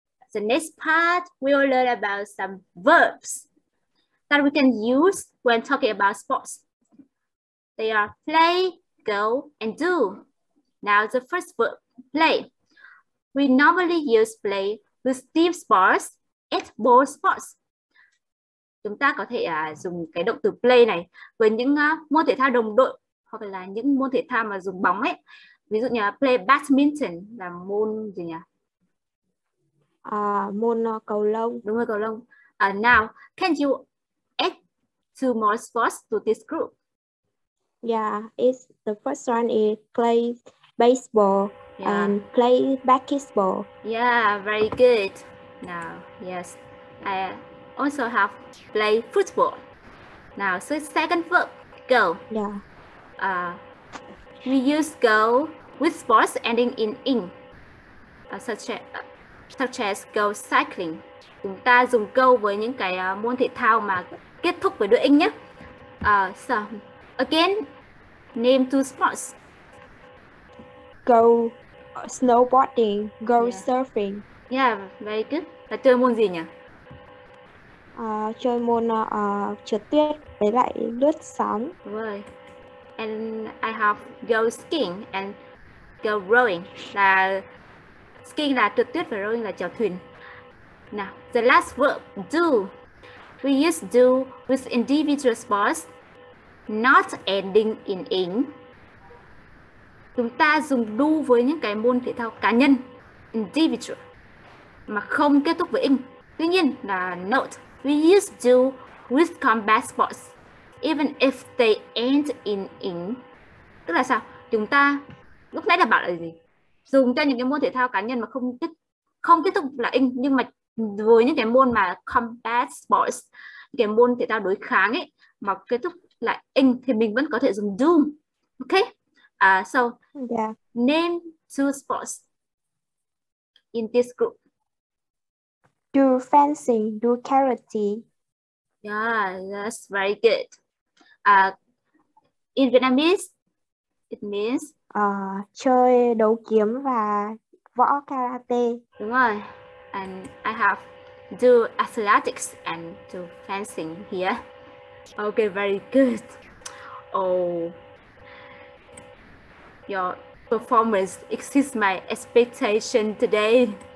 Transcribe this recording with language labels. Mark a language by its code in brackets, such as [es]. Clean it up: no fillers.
[en] The next part, we will learn about some verbs that we can use when talking about sports. They are play, go, and do. Now, the first verb, play. We normally use play with team sports, at ball sports. [vi] Chúng ta có thể dùng cái động từ play này với những môn thể thao đồng đội hoặc là những môn thể thao mà dùng bóng ấy. Ví dụ như là [en] play badminton [vi] là môn gì nhỉ? Môn cầu lông. Đúng rồi, cầu lông. [en] Now, can you add two more sports to this group? Yeah, it's the first one is play baseball and play basketball. Yeah, very good. Now, yes. I also have play football. Now, so second verb, go. Yeah. We use go with sports ending in ing, such as go cycling. [vi] Chúng ta dùng go với những cái môn thể thao mà kết thúc với đuôi ing nhé. [en] So again, name two sports. Go snowboarding, go surfing. Yeah, very good. [vi] Là chơi môn gì nhỉ? Chơi môn trượt tuyết với lại lướt sóng. Đúng rồi. [en] And I have go skiing and go rowing. [vi] Là skiing là trượt tuyết và rowing là chèo thuyền. [en] Now, the last verb, do. We use do with individual sports, not ending in ing. [vi] Chúng ta dùng do với những cái môn thể thao cá nhân, individual, mà không kết thúc với ing. Tuy nhiên là [en] note, we use do with combat sports, even if they end in ing. [vi] Tức là sao? Chúng ta lúc nãy là bảo là gì? Dùng cho những cái môn thể thao cá nhân mà không kết thúc là ing, nhưng mà với những cái môn mà combat sports cái môn thể thao đối kháng ấy mà kết thúc là in thì mình vẫn có thể dùng do. [en] Okay. So yeah. Name two sports in this group. Do fencing, do karate. Yeah, that's very good. In Vietnamese, it means [vi] chơi đấu kiếm và võ karate. Đúng rồi. [en] And I have do athletics and do fencing here. Okay, very good. Oh, your performance exceeds my expectation today.